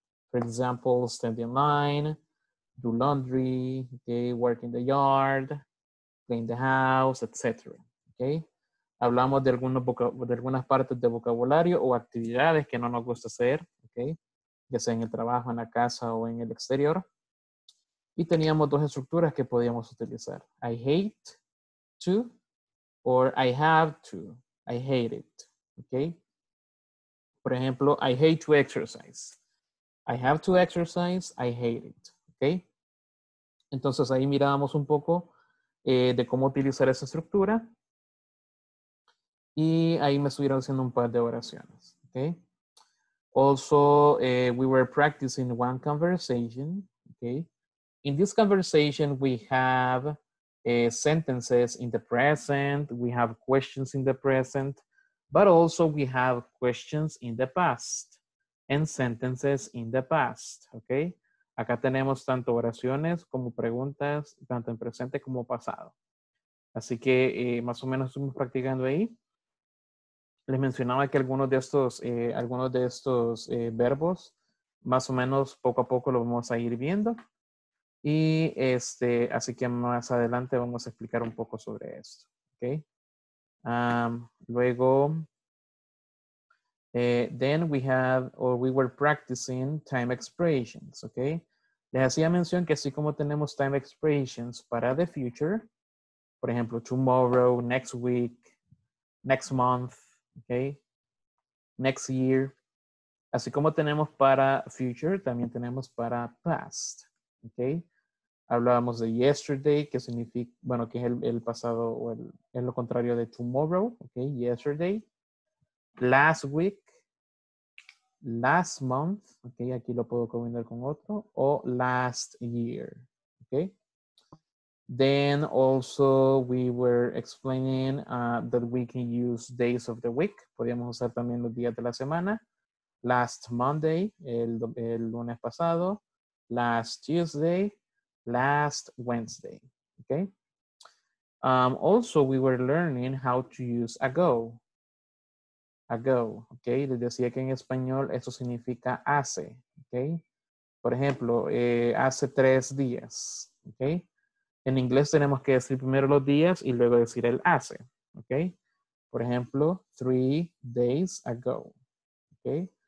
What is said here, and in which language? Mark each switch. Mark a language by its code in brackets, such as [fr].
[en] For example, stand in line, do laundry, okay, work in the yard, clean the house, etc. Okay? [es] Hablamos de algunas partes de vocabulario o actividades que no nos gusta hacer, okay? Ya sea en el trabajo, en la casa o en el exterior. Y teníamos dos estructuras que podíamos utilizar. [en] I hate to or I have to. I hate it. Okay. [es] Por ejemplo, [en] I hate to exercise. I have to exercise. I hate it. Okay. [es] Entonces ahí mirábamos un poco de cómo utilizar esa estructura. Y ahí me estuvieron haciendo un par de oraciones. [en] Okay. Also, we were practicing one conversation. Okay. In this conversation, we have sentences in the present. We have questions in the present. But also, we have questions in the past and sentences in the past. Okay. [es] Acá tenemos tanto oraciones como preguntas, tanto en presente como pasado. Así que más o menos estuvimos practicando ahí. Les mencionaba que algunos de estos verbos, más o menos poco a poco lo vamos a ir viendo. Y así que más adelante vamos a explicar un poco sobre esto. Okay? Luego, [en] then we have, or we were practicing time expressions. [es] Okay? Les hacía mención que así como tenemos time expressions para the future, por ejemplo, [en] tomorrow, next week, next month, okay, next year. [es] Así como tenemos para future, también tenemos para past. Okay. Hablábamos de yesterday, que significa, bueno, que es el pasado o es lo contrario de tomorrow. [en] Okay, yesterday. Last week. Last month. [es] Okay, aquí lo puedo combinar con otro. O last year. Okay. [en] Then also we were explaining that we can use days of the week. [es] Podíamos usar también los días de la semana. [en] Last Monday, [es] el lunes pasado. [en] Last Tuesday, last Wednesday. Okay. Also we were learning how to use ago. Ago. Okay. [es] Les decía que en español eso significa hace. Okay. Por ejemplo, hace tres días. Okay. En inglés tenemos que decir primero los días y luego decir el hace, ¿ok? Por ejemplo, [en] 3 days ago, ¿ok?